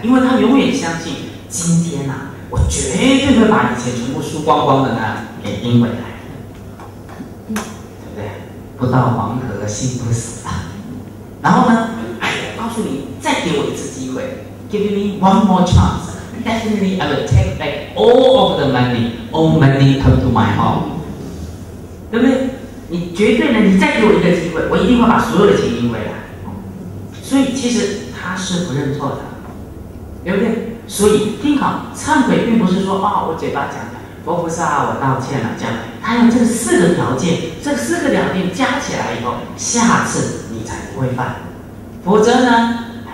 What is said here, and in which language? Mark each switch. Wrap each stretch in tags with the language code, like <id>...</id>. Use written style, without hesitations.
<zh>因为他永远相信今天呢、啊，我绝对会把以前全部输光光的呢给赢回来，对不对？不到黄河心不死啊。然后呢，哎，我告诉你，再给我一次机会。</zh> <en>Give me one more chance. Definitely, I will take back all of the money. All money come to my home.</en> <zh>对不对？你绝对呢，你再给我一个机会，我一定会把所有的钱赢回来。所以其实他是不认错的，对不对？所以听好，忏悔并不是说啊、哦，我嘴巴讲的，佛菩萨，我道歉了，这样。他用这四个条件，这四个条件加起来以后，下次你才不会犯，否则呢？</zh>